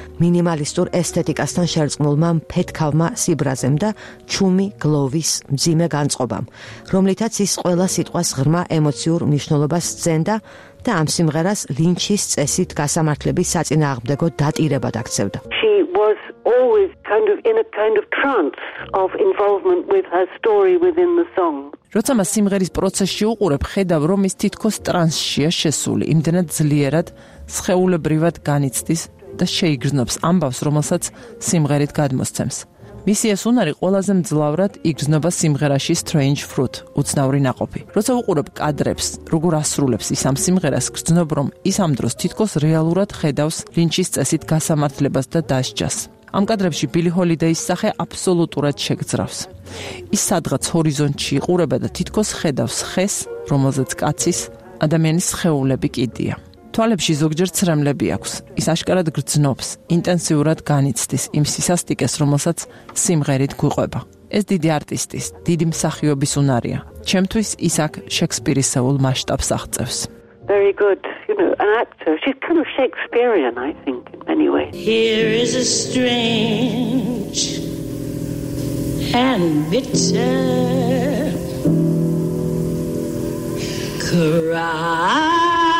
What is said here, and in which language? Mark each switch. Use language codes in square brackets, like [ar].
[ka] მინიმალისტურ ესთეტიკასთან შერწყმულმა ფეთქავმა სიბრაზემ და ჩუმი გლოვის მძიმე განწყობამ, რომლითაც ის ყველა სიტყვას ღრმა ემოციურ მნიშვნელობას ძენდა და ამ სიმღერას ლინჩის წესით გასამართლების საწინააღმდეგო დატირებად აქცევდა. [en] Was always kind of in a kind of trance of involvement with her story within the song. [ka] როცა მას სიმღერის პროცესში უყურებ, ხედავ, რომ ის თითქოს ტრანსშია შესული, იმდენად ძლიერად სხეულებრივად განიცდის და შეიგრძნობს ამბავს, რომელსაც სიმღერით გადმოსცემს. მისი ეს უნარი ყველაზე მძლავრად იგრძნობა სიმღერაში Strange Fruit, უცნაური ნაყოფი. როცა უყურებ კადრებს, როგორ ასრულებს ის ამ სიმღერას, გრძნობ, რომ ის ამ დროს თითქოს რეალურად ხედავს ლინჩის წესით გასამართლებას და დასჯას. ამ კადრებში ბილი ჰოლიდეის სახე აბსოლუტურად შეგძრავს. ის სადღაც ჰორიზონტში იყურება და თითქოს ხედავს ხეს, რომელზეც კაცის, ადამიანის სხეულები კიდია. თვალებში ზოგჯერ ცრემლები აქვს. ის აშკარად გრძნობს, ინტენსიურად განიცდის იმ სისასტიკეს, რომელსაც სიმღერით გვიყვება. ეს დიდი არტისტის, დიდი მსახიობის უნარია. ჩემთვის ის აქ შექსპირისეულ მასშტაბს აღწევს. [en] Very good. You know, an actor. She's kind of Shakespearean, I think, anyway. Here is a strange and bitter cry.